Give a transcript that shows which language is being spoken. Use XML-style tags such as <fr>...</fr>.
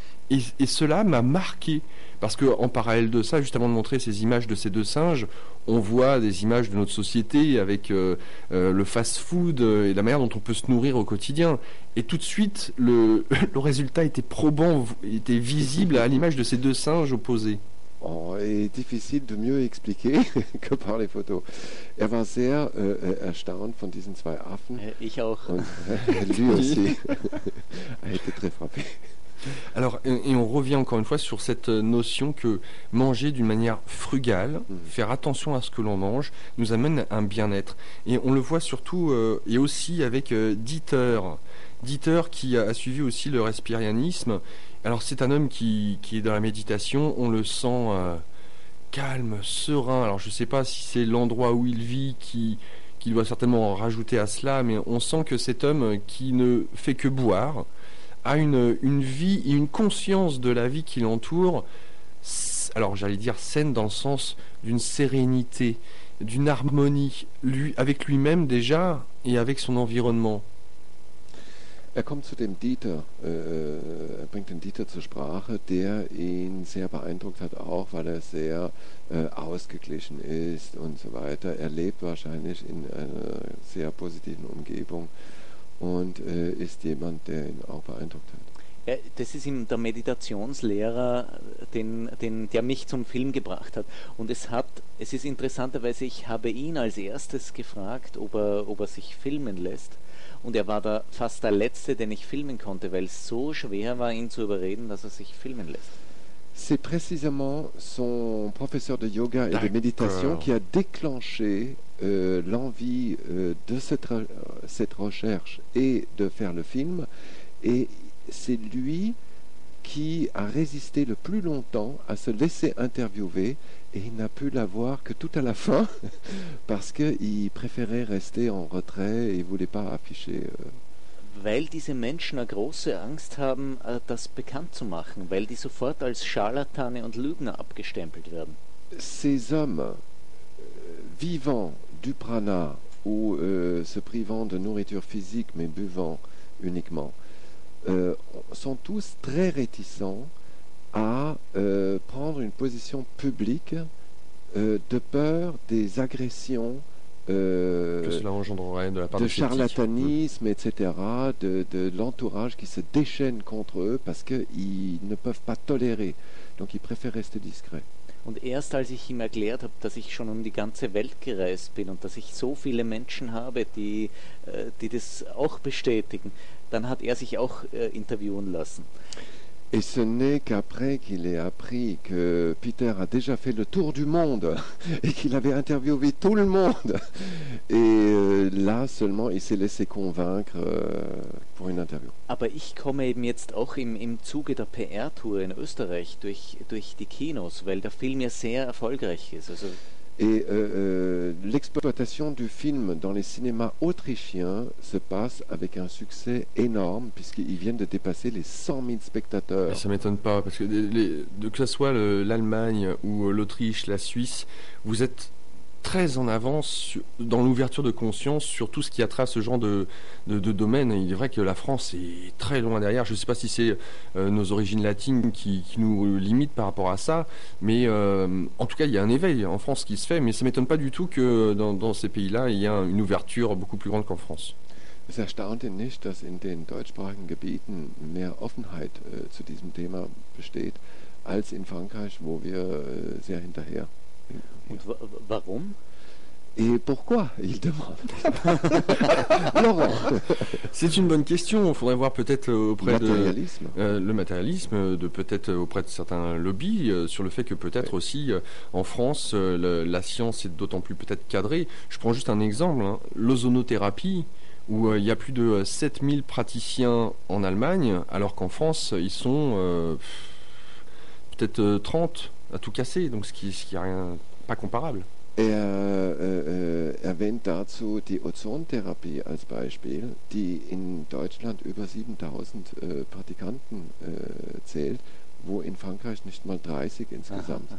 <fr>Et cela m'a marqué. Parce qu'en parallèle de ça, justement de montrer ces images de ces deux singes, on voit des images de notre société avec le fast-food et la manière dont on peut se nourrir au quotidien. Et tout de suite, le résultat était probant, était visible à l'image de ces deux singes opposés. Oh, et difficile de mieux expliquer que par les photos.</fr> <de>Er war sehr erstaunt von diesen zwei Affen. Ich auch. Und,</de> <fr>lui aussi. A été très frappé. Alors, et on revient encore une fois sur cette notion que manger d'une manière frugale, faire attention à ce que l'on mange, nous amène un bien-être. Et on le voit surtout et aussi avec Dieter. Dieter qui a suivi aussi le respirianisme. Alors, c'est un homme qui est dans la méditation. On le sent calme, serein. Alors, je ne sais pas si c'est l'endroit où il vit qui doit certainement rajouter à cela, mais on sent que cet homme qui ne fait que boire a une vie et une conscience de la vie qui l'entoure, alors j'allais dire saine dans le sens d'une sérénité, d'une harmonie, lui, avec lui-même déjà et avec son environnement.</fr> <de>Er kommt zu dem Dieter, er bringt den Dieter zur Sprache, der ihn sehr beeindruckt hat, auch weil er sehr ausgeglichen ist und so weiter. Er lebt wahrscheinlich in einer sehr positiven Umgebung. Und ist jemand, der ihn auch beeindruckt hat. Ja, das ist ihm der Meditationslehrer, der mich zum Film gebracht hat. Und es ist interessanterweise, ich habe ihn als erstes gefragt, ob er sich filmen lässt. Und er war da fast der Letzte, den ich filmen konnte, weil es so schwer war, ihn zu überreden, dass er sich filmen lässt.</de> <fr>C'est précisément son professeur de yoga et de méditation qui a déclenché l'envie de cette recherche et de faire le film. Et c'est lui qui a résisté le plus longtemps à se laisser interviewer et il n'a pu la voir que tout à la fin parce qu'il préférait rester en retrait et ne voulait pas afficher...</fr> <de>Weil diese Menschen eine große Angst haben, das bekannt zu machen, weil die sofort als Scharlatane und Lügner abgestempelt werden.</de> <fr>Ces hommes vivant du prana ou se privant de nourriture physique mais buvant uniquement sont tous très réticents à prendre une position publique de peur des agressions. Que cela engendrerait de la part de charlatanisme, etc., de l'entourage qui se déchaîne contre eux parce qu'ils ne peuvent pas tolérer. Donc ils préfèrent rester discrets.</fr> <de>Und erst als ich ihm erklärt habe, dass ich schon um die ganze Welt gereist bin und dass ich so viele Menschen habe, die das auch bestätigen, dann hat sich auch interviewen lassen.</de> <fr>Et ce n'est qu'après qu'il ait appris que Peter a déjà fait le tour du monde et qu'il avait interviewé tout le monde. Et là seulement, il s'est laissé convaincre pour une interview.</fr> <de>Aber ich komme eben jetzt auch im Zuge der PR-Tour in Österreich durch die Kinos, weil der Film ja sehr erfolgreich ist. Also</de> <fr>et l'exploitation du film dans les cinémas autrichiens se passe avec un succès énorme puisqu'ils viennent de dépasser les 100 000 spectateurs. Mais ça m'étonne pas parce que que ce soit l'Allemagne ou l'Autriche, la Suisse, vous êtes très en avance dans l'ouverture de conscience sur tout ce qui a trait à ce genre de domaine. Il est vrai que la France est très loin derrière. Je ne sais pas si c'est nos origines latines qui nous limitent par rapport à ça, mais en tout cas, il y a un éveil en France qui se fait, mais ça ne m'étonne pas du tout que dans ces pays-là, il y a une ouverture beaucoup plus grande qu'en France.</fr> <de>Es erstaunt ihn nicht, dass in den deutschsprachigen Gebieten mehr Offenheit zu diesem Thema besteht als in Frankreich, wo wir sehr hinterher. Und warum?</de> <fr>Et pourquoi, il demande. Laurent. C'est une bonne question. Il faudrait voir peut-être auprès matérialisme. Le matérialisme, de peut-être auprès de certains lobbies, sur le fait que peut-être aussi en France, la science est d'autant plus peut-être cadrée. Je prends juste un exemple, hein. L'ozonothérapie, où il y a plus de 7000 praticiens en Allemagne, alors qu'en France, ils sont peut-être 30 à tout casser, donc ce qui est rien, pas comparable.</fr> <de>Erwähnt dazu die Ozontherapie als Beispiel, die in Deutschland über 7000 Praktikanten zählt, wo in Frankreich nicht mal 30 insgesamt.</de>